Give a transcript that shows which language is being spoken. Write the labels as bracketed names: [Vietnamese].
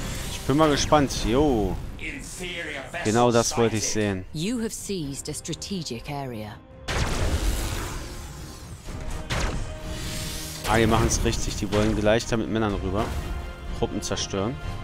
[German] Ich bin mal gespannt. Jo. Genau das wollte ich sehen. [English] You have seized a strategic area. [German] Ah, die machen es richtig. Die wollen gleich da mit Männern rüber. Truppen zerstören.